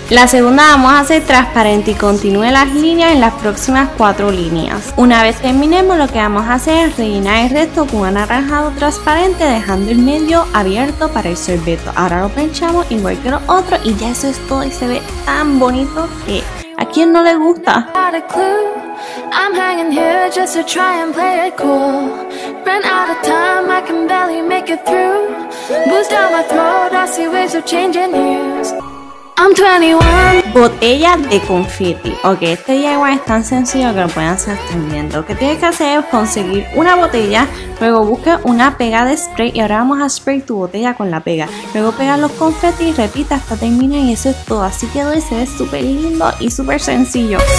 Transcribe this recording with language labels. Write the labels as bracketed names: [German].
[Spanish] La segunda vamos a hacer transparente y continúe las líneas en las próximas cuatro líneas. Una vez terminemos, lo que vamos a hacer es rellenar el resto con un anaranjado transparente, dejando el medio abierto para el sorbeto. Ahora lo planchamos igual que lo otro y ya eso es todo, y se ve tan bonito que... ¿A quién no le gusta? [English] Out of clue, I'm hanging here just to try and play it cool. Ran out of time, I can barely make it through. Booze down my throat, I see waves of changing hues. I'm 21. [Spanish] Botella de confeti. Ok, este DIY es tan sencillo que lo pueden hacer extendiendo. Lo que tienes que hacer es conseguir una botella, luego busca una pega de spray y ahora vamos a spray tu botella con la pega. Luego pega los confeti y repita hasta terminar y eso es todo. Así quedó y se ve súper lindo y súper sencillo.